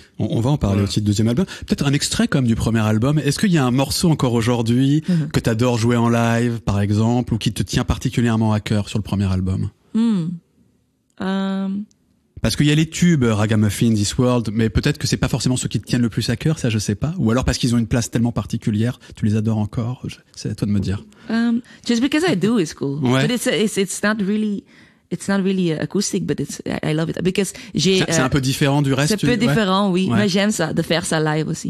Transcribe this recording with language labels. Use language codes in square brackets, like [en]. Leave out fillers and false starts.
[fr] On va en parler aussi du deuxième album. Peut-être un extrait comme du premier album. Est-ce qu'il y a un morceau encore aujourd'hui que tu adores jouer en live, par exemple, ou qui te tient particulièrement à cœur sur le premier album? Parce qu'il y a les tubes Ragamuffin, This World, mais peut-être que c'est pas forcément ceux qui te tiennent le plus à cœur, ça je sais pas. Ou alors parce qu'ils ont une place tellement particulière, tu les adores encore. C'est à toi de me dire. [en] Just because I do is cool. [fr] Ouais. [en] But it's not really... It's not really acoustic, but I love it. Because [fr] c'est un peu différent du reste. C'est un peu différent, oui. Ouais. Mais j'aime ça, de faire ça live aussi.